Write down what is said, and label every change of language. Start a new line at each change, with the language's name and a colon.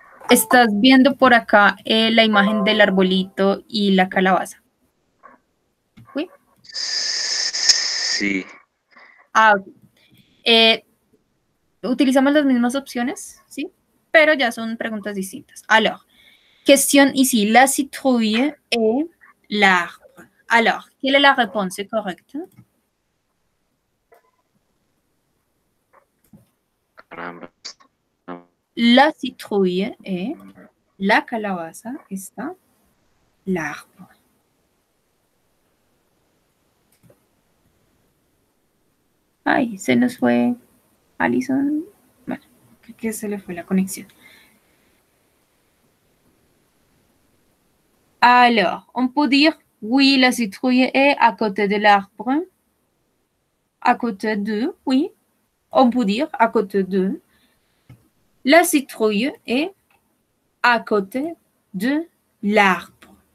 Spanish: ¿Estás viendo por acá la imagen del arbolito y la calabaza?
French: ¿Oui?
Spanish: Sí. Utilizamos las mismas opciones, ¿sí? Pero ya son preguntas distintas.
French: Alors, question ici, la citrouille et l'arbre. Alors, quelle est la réponse correcte?
Spanish: Caramba.
French: La citrouille et
Spanish: la calabaza
French: est l'arbre.
Spanish: Ay, se nos fue Alison. Bueno, que se le fue la conexión.
French: Alors, on peut dire, oui, la citrouille est à côté de l'arbre. À côté de, oui. On peut dire, à côté de. La citrouille est à côté de l'arbre.